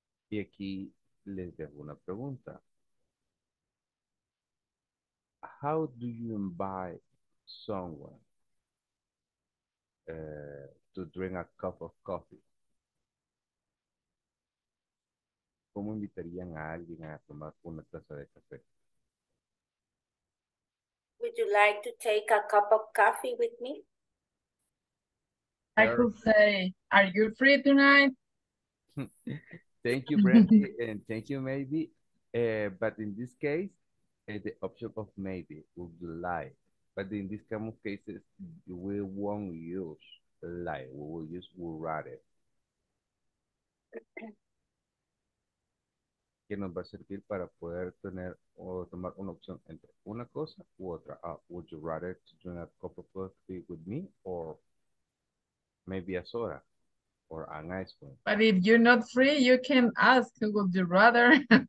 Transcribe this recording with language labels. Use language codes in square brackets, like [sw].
[es] Y aquí les dejo una pregunta. [en] How do you invite someone to drink a cup of coffee? [es] ¿Cómo invitarían a alguien a tomar una taza de café? [en] Would you like to take a cup of coffee with me? I could say, are you free tonight? Thank you, Brandy, and thank you, maybe. But in this case, the option of maybe would lie. But in this kind of cases, we won't use lie. We will use would rather. [es] Que nos va a servir para poder tener o tomar una opción entre una cosa u otra. [en] Would you rather to drink a cup of coffee with me or maybe a soda or an ice cream? But if you're not free, you can ask, would you rather?